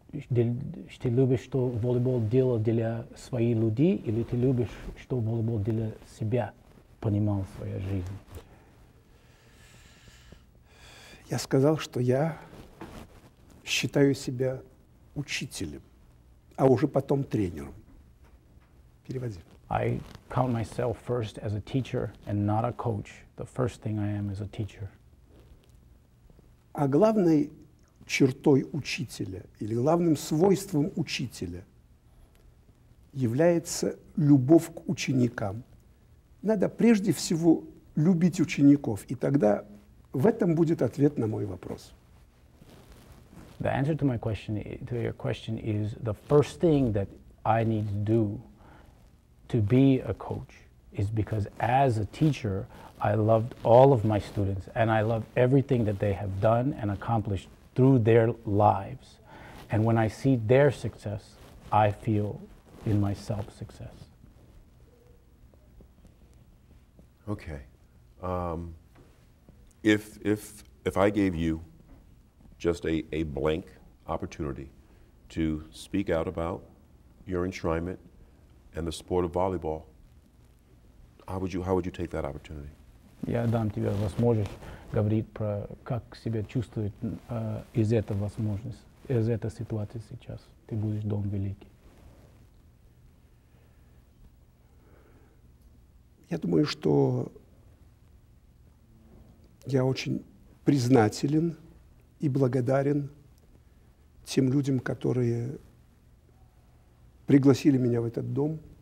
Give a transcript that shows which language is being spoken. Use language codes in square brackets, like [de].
[ru] Ты любишь, что волейбол делал для своих людей, или ты любишь, что волейбол для себя понимал в своей жизни? Я сказал, что я считаю себя учителем, а уже потом тренером. Переводи. [en] I count myself first as a teacher and not a coach. The first thing I am is a teacher. [ru] А главный чертой учителя или главным свойством учителя является любовь к ученикам. Надо прежде всего любить учеников, и тогда в этом будет ответ на мой вопрос. [en] The answer to my question, to your question, is the first thing that I need to do to be a coach is because as a teacher, I loved all of my students and I love everything that they have done and accomplished through their lives. And when I see their success, I feel in myself success. Okay. If I gave you just a blank opportunity to speak out about your enshrinement and the sport of volleyball, how would you take that opportunity? [ru] Я дам тебе возможность говорить про как себя чувствует из этой возможности, из этой ситуации сейчас. Ты будешь дом великий. Я думаю, что я очень признателен и благодарен тем людям, которые пригласили меня в этот дом.